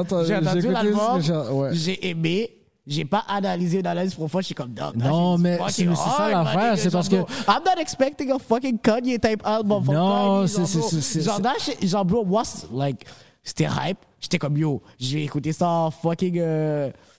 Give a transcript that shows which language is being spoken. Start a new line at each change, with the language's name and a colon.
French: J'ai entendu l'album, j'ai aimé, j'ai pas analysé d'analyse profonde, je suis comme dog. Non, mais c'est ça l'affaire, c'est parce que.
English: I'm not expecting a fucking Kanye type album from Kanye.
French: Non, c'est. Genre, bro,
English: what's like,
French: c'était hype, j'étais comme yo, j'ai écouté ça en fucking.